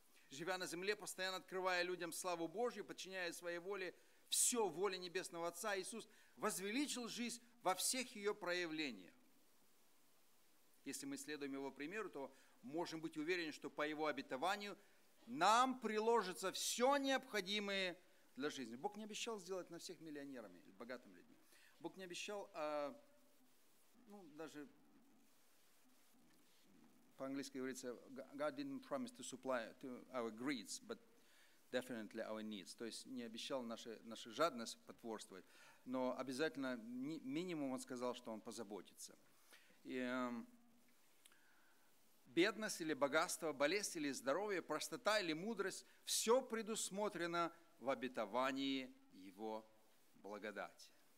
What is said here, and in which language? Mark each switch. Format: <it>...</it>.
<ru>Живя на земле, постоянно открывая людям славу Божью, подчиняя своей воле все воле Небесного Отца, Иисус возвеличил жизнь во всех ее проявлениях. Если мы следуем Его примеру, то можем быть уверены, что по Его обетованию нам приложится все необходимое для жизни. Бог не обещал сделать нас всех миллионерами, богатыми людьми. Бог не обещал, даже по-английски говорится,</ru> <en>God didn't promise to supply to our greed, but definitely our needs.</en> <ru>То есть не обещал нашу жадность потворствовать, но обязательно минимум Он сказал, что Он позаботится. Бедность или богатство, болезнь или здоровье, простота или мудрость – все предусмотрено в обетовании Его благодати.</ru>